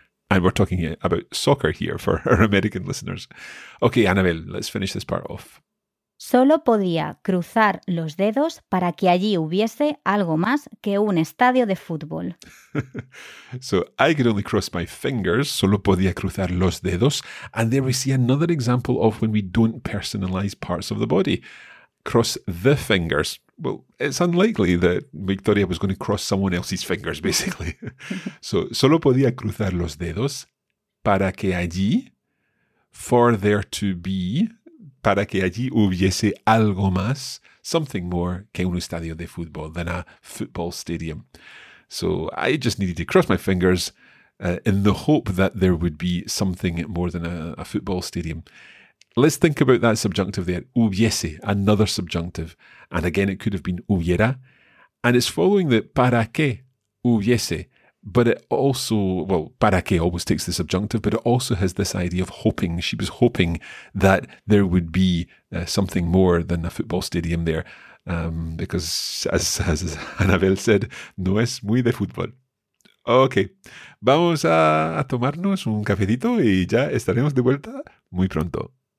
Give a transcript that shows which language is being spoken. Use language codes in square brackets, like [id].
[en] And we're talking about soccer here for our American listeners. Okay, Anabel, let's finish this part off. [es] Solo podía cruzar los dedos para que allí hubiese algo más que un estadio de fútbol. [en] So, I could only cross my fingers, [es] solo podía cruzar los dedos. [en] And there we see another example of when we don't personalize parts of the body. Cross the fingers. Well, it's unlikely that Victoria was going to cross someone else's fingers, basically. So, [es] solo podía cruzar los dedos para que allí, [en] for there to be... [es] para que allí hubiese algo más, [en] something more, [es] que un estadio de fútbol, [en] than a football stadium. So I just needed to cross my fingers in the hope that there would be something more than a football stadium. Let's think about that subjunctive there, hubiese, another subjunctive. And again, it could have been hubiera. And it's following the [es] para que hubiese, [en] but it also, well, para que always takes the subjunctive, but it also has this idea of hoping. She was hoping that there would be something more than a football stadium there, because as Anabel said, [es] no es muy de fútbol. Okay, vamos a tomarnos un cafecito y ya estaremos de vuelta muy pronto.